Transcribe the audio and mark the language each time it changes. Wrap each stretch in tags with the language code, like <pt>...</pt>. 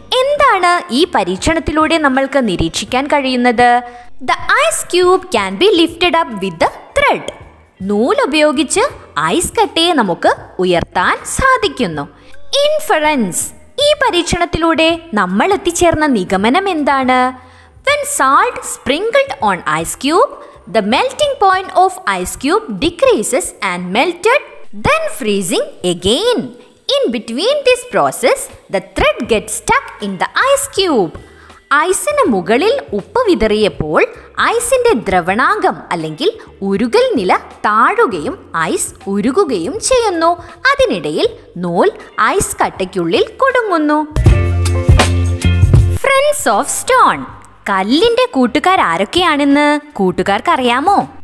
<ml>എന്താണ് ഈ പരീക്ഷണത്തിലൂടെ നമ്മൾക്ക് നിരീക്ഷിക്കാൻ കഴിയുന്നത്?</ml> <en>The ice cube can be lifted up with thread.</en> <ml>നൂൽ ഉപയോഗിച്ച് ഐസ് കട്ടയെ നമുക്ക് ഉയർത്താൻ സാധിക്കുന്നു. ഇൻഫറൻസ്. ഈ പരീക്ഷണത്തിലൂടെ നമ്മൾ എത്തിച്ചേർന്ന നിഗമനം എന്താണ്?</ml> <en>When salt sprinkled on ice cube, the melting point of ice cube decreases and melted, then freezing again. In between this process, the thread gets stuck in the ice cube.</en> <ml>ഐസിന് മുകളിൽ ഉപ്പ് വിതറിയപ്പോൾ ഐസിന്റെ ദ്രവണാങ്കം അല്ലെങ്കിൽ ഉരുകൽ നില താഴുകയും ഐസ് ഉരുകുകയും ചെയ്യുന്നു. അതിനിടയിൽ നൂൽ ice കട്ടയ്ക്കുള്ളിൽ കുടുങ്ങുന്നു.</ml> <en>Friends of stone.</en> <ml>കല്ലിന്റെ കൂട്ടുകാർ ആരൊക്കെയാണെന്ന് കൂട്ടുകാർക്ക് അറിയാമോ?</ml>